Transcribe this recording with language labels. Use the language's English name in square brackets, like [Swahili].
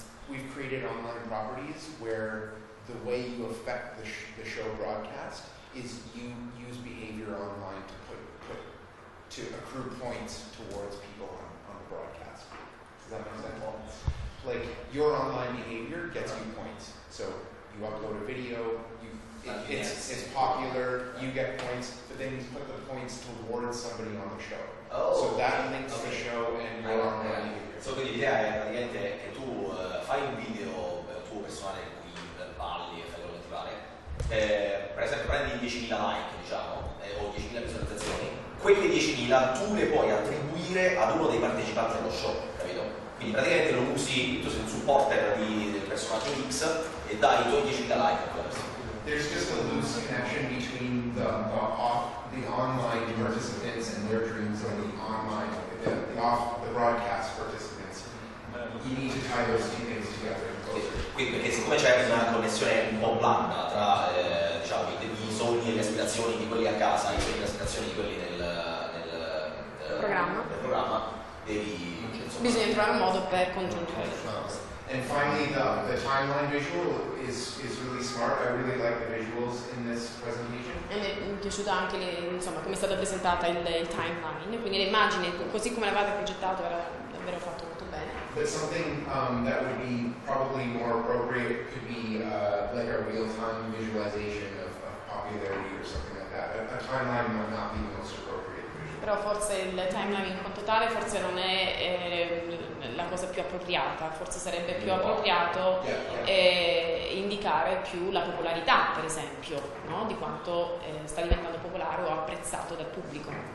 [English] we've created online properties where the way you affect the show broadcast is you use behavior online to put accrue points towards people on the broadcast. Does that make sense? Like, your online behavior gets you points. So you upload a video, it's popular, you get points, but then you put the points towards somebody on the show. Oh, so that links the show and your online behavior. [Italian] So quindi l'idea è praticamente che tu fai un video tuo personale in cui balli e fai quello che ti pare. Per esempio prendi 10.000 like, diciamo, o 10.000 visualizzazioni, quelle 10.000 tu le puoi attribuire ad uno dei partecipanti allo show, capito? Quindi praticamente lo usi, tu sei un supporter del personaggio X e dai i tuoi 10.000 like a quella persona. [English] There's just a loose connection between the online participants and their dreams and the broadcast participants. You need to tie those two things together. [Italian] Quindi perché siccome c'è una connessione un po' blanda tra diciamo i sogni e le aspirazioni di quelli a casa e le aspirazioni di quelli nel programma bisogna trovare un modo per congiungere. [English] And finally, the timeline visual is really smart. I really like the visuals in this presentation. [Italian] E mi è piaciuta anche insomma come è stata presentata il timeline, quindi le immagini così come l'avete progettato era davvero fatto molto bene. [English] But something that would be probably more appropriate could be like a real-time visualization of popularity or something like that. A timeline might not be the most appropriate visual. [Italian] Però forse il timeline in quanto tale forse non è la cosa più appropriata, forse sarebbe più appropriato indicare più la popolarità, per esempio, no? Di quanto sta diventando popolare o apprezzato dal pubblico.